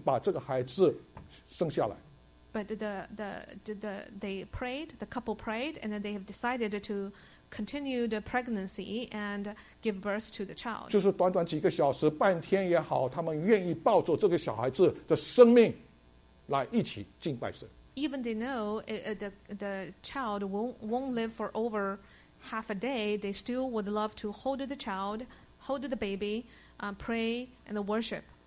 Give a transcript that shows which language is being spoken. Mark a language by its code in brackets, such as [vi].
[zh] 但是他们夫妻祷告之后决定把这个孩子生下来。 [en] But the couple prayed and then they have decided to continue the pregnancy and give birth to the child. [zh] 就是短短几个小时，半天也好，他们愿意抱着这个小孩子的生命来一起敬拜神。 [en] Even they know the child won't live for over half a day, they still would love to hold the child, hold the baby, pray and worship.